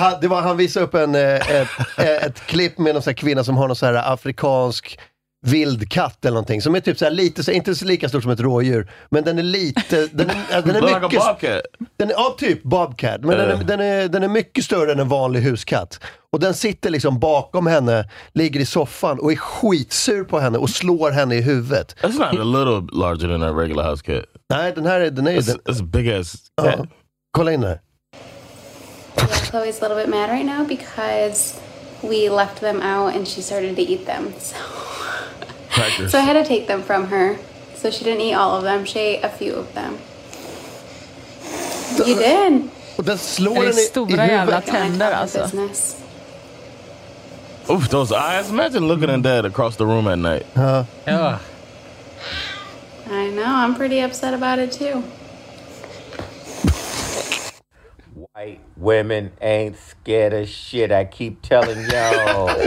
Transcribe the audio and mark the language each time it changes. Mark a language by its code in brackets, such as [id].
[sv] Han visade upp ett klipp med någon så här kvinna som har någon så här afrikansk vildkatt eller någonting, som är typ så här lite så, inte så lika stort som ett rådjur, men den är lite den är mycket [en] like [sv] den är typ bobcat, men den är mycket större än en vanlig huskatt, och den sitter liksom bakom henne, ligger i soffan och är skitsur på henne och slår henne i huvudet. [en] That's not a little larger than a regular house cat. [sv] Nej, den är [en] it's big as [sv] kolla in där. [en] Chloe's a little bit mad right now because we left them out and she started to eat them, so I had to take them from her. So she didn't eat all of them. She ate a few of them. You did. [sv] Och den slår den i stora jävla tänder alltså. [en] Oof, those eyes. Imagine looking at that across the room at night. Yeah. I know. I'm pretty upset about it too. White women ain't scared of shit. I keep telling y'all.